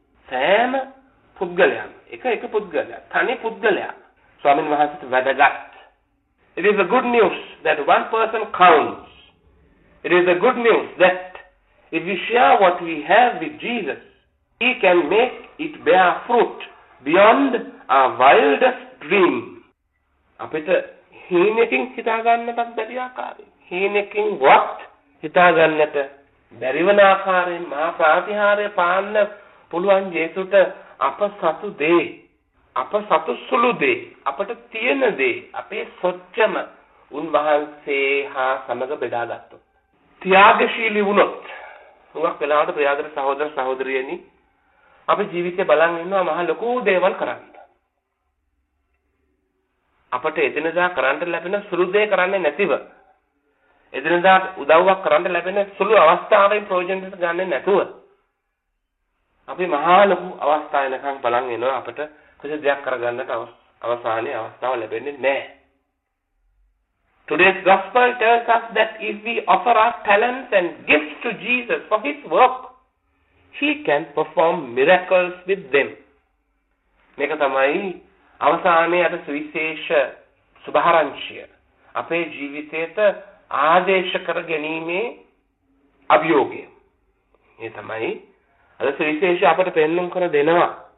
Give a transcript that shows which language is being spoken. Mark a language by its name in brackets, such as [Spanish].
[Sinhala] සෑම පුද්ගලයන්, එක එක පුද්ගලයන්, තනි පුද්ගලයන් ස්වාමීන් වහන්සේට වැදගත්. [English] It is a good news that one person counts. It is a good news that if we share what we have with Jesus, He can make it bear fruit beyond our wildest dream. [Sinhala] අපිට හීනකින් හිතාගන්නටත් බැරි ආකාරයෙන්, හීනකින් වත් හිතාගන්නට බැරි වන ආකාරයෙන් මහා ප්‍රතිහාරය පාන්න පුළුවන් ජේසුට අප සතු දේ, අප සතු සුළු දේ, අපට තියෙන දේ අපේ සොච්චම උන්වහන්සේ හා සමග බෙදා ගත්තොත්, ත්‍යාගශීලී වුණොත්. හුඟක් වෙලාවට ප්‍රියදර සහෝදර සහෝදරියනි, අපි ජීවිතේ බලන් ඉන්නවා මහා ලොකු දේවල් කරන්න. අපට එදිනදා කරන්න ලැබෙන සුළු දේ කරන්නේ නැතිව, එදිනදා උදව්වක් කරන්න ලැබෙන සුළු අවස්ථාවෙන් ප්‍රයෝජන ගන්න නැතුව, අපි මහා ලොකු අවස්ථා එනකන් බලන් ඉන්නවා අපට කෙසේ දෙයක් කරගන්නට අවසානයේ අවස්ථාව ලැබෙන්නේ නැහැ. [English] Today's gospel tells us that if we offer our talents and gifts to Jesus for His work, He can perform miracles with them. [Sinhala] මේක තමයි අවසානයේ අපේ සුවිශේෂ සුභාරංශය. අපේ ජීවිතයට ආදේශ කර ගැනීමේ අභියෝගය. මේ තමයි අද සුවිශේෂ අපට පෙන්නුම් කර දෙනවා.